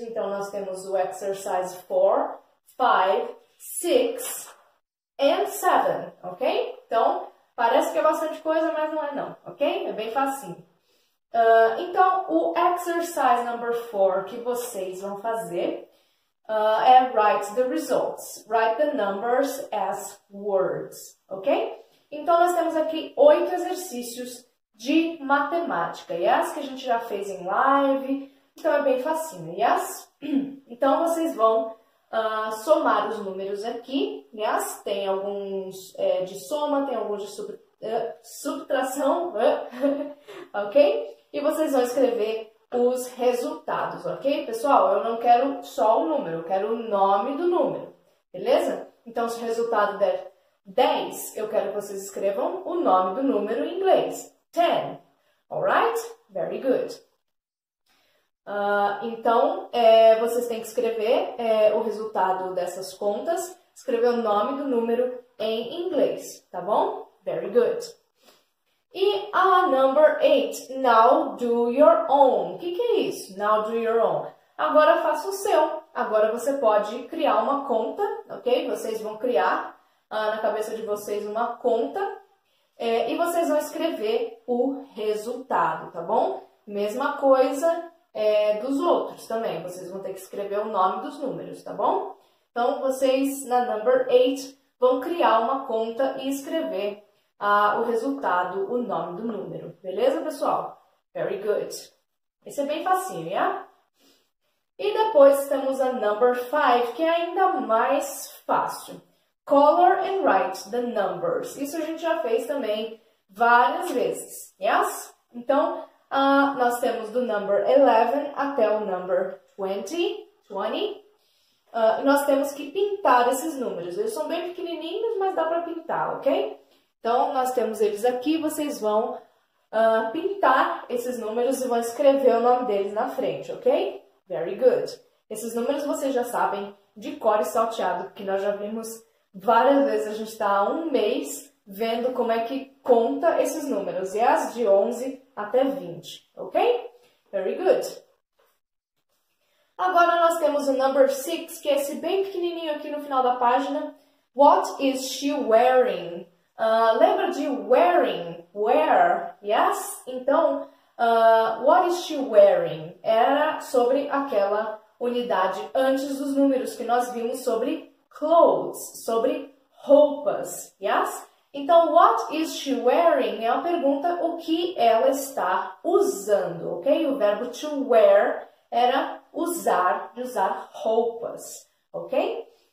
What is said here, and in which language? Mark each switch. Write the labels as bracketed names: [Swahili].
[Portuguese] Então, nós temos o exercise 4, 5, 6 [English] and 7, [Portuguese] ok? Então, parece que é bastante coisa, mas não é não, ok? É bem facinho. Então, o exercise number 4 que vocês vão fazer é [English] write the results. Write the numbers as words, ok? [Portuguese] Então, nós temos aqui 8 exercícios de matemática, yes? Que a gente já fez em live, então é bem facinho, yes? Então, vocês vão somar os números aqui, yes? Tem alguns de soma, tem alguns de subtração, ok? E vocês vão escrever os resultados, ok? Pessoal, eu não quero só o número, eu quero o nome do número, beleza? Então, se o resultado der 10, eu quero que vocês escrevam o nome do número em inglês. [English] 10, alright? Very good. [Portuguese] Então, vocês têm que escrever o resultado dessas contas, escrever o nome do número em inglês, tá bom? [English] Very good. [Portuguese] E a [English] number 8, now do your own. [Portuguese] O que, que é isso? [English] Now do your own. [Portuguese] Agora faça o seu. Agora você pode criar uma conta, ok? Vocês vão criar na cabeça de vocês uma conta e vocês vão escrever o resultado, tá bom? Mesma coisa dos outros também. Vocês vão ter que escrever o nome dos números, tá bom? Então, vocês na number 8 vão criar uma conta e escrever o resultado, o nome do número. Beleza, pessoal? [English] Very good. [Portuguese] Esse é bem facinho, yeah? E depois temos a number 5, que é ainda mais fácil. [English] Color and write the numbers. [Portuguese] Isso a gente já fez também várias vezes, yes? Então, nós temos do number 11 até o number 20. Nós temos que pintar esses números. Eles são bem pequenininhos, mas dá para pintar, ok? Então, nós temos eles aqui, vocês vão pintar esses números e vão escrever o nome deles na frente, ok? [English] Very good. [Portuguese] Esses números vocês já sabem de cor e salteado, porque nós já vimos várias vezes, a gente está há um mês vendo como é que conta esses números, e as de 11 até 20, ok? [English] Very good. [Portuguese] Agora, nós temos o number 6, que é esse bem pequenininho aqui no final da página. [English] What is she wearing? [Portuguese] Lembra de wearing, wear, yes? [English] Então, what is she wearing? [Portuguese] Era sobre aquela unidade antes dos números que nós vimos sobre clothes, sobre roupas, yes? Então, [English] what is she wearing [Portuguese] é a pergunta o que ela está usando, ok? O verbo to wear era usar, de usar roupas, ok?